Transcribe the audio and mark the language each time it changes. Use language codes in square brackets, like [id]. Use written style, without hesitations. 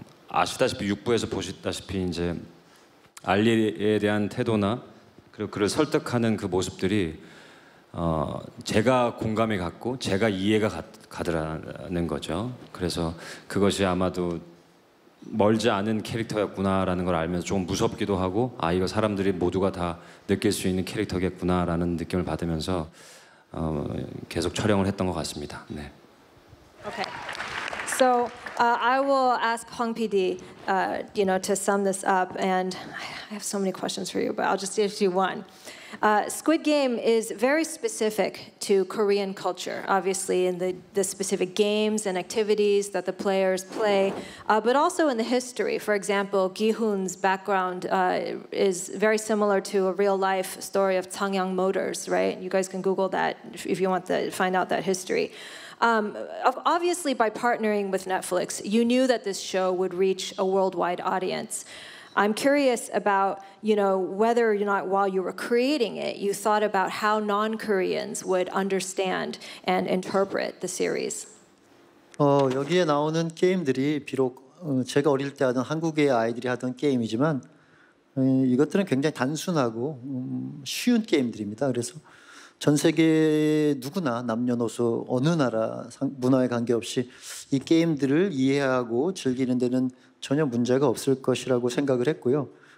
[ko] 아시다시피 6부에서 보셨다시피 이제 알리에 대한 태도나 그리고 그를 설득하는 그 모습들이 제가 공감이 갔고 제가 이해가 가더라는 거죠. 그래서 그것이 아마도 멀지 않은 캐릭터였구나라는 걸 알면서 조금 무섭기도 하고 아 이거 사람들이 모두가 다 느낄 수 있는 캐릭터겠구나라는 느낌을 받으면서 계속 촬영을 했던 것 같습니다. 네. [en] Okay. So I will ask Hwang PD, you know, to sum this up. And I have so many questions for you, but I'll just give you one. Squid Game is very specific to Korean culture, obviously, in the specific games and activities that the players play, but also in the history. For example, Gi-hun's background is very similar to a real-life story of Changyang Motors, right? You guys can Google that if you want to find out that history. Obviously, by partnering with Netflix, you knew that this show would reach a worldwide audience. I'm curious about, you know, whether or not while you were creating it, you thought about how non-Koreans would understand and interpret the series. [ko] 여기에 나오는 게임들이 비록 제가 어릴 때 하던 한국의 아이들이 하던 게임이지만 이것들은 굉장히 단순하고 쉬운 게임들입니다. 그래서 전 세계 누구나 남녀노소 어느 나라 문화에 관계없이 이 게임들을 이해하고 즐기는 데는 전혀 문제가 없을 것이라고 생각을 했고요.